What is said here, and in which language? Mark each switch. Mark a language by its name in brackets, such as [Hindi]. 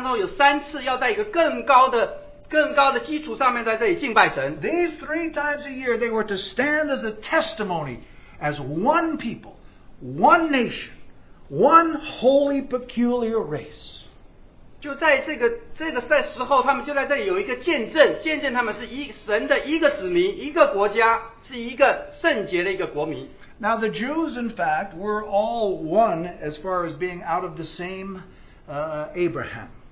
[Chinese] 因为神就在那里命定，在一年当中有三次要在一个更高的 更高的基础上面在这里敬拜神。 [English] These 3 times a year, they were to stand as a testimony, as one people, one nation, one holy peculiar race. [Chinese] 就在这个时候，他们就在这里有一个见证，见证他们是神的一个子民，一个国家，是一个圣洁的一个国民。 [English] Now the Jews, in fact, were all one as far as being out of the same Abraham.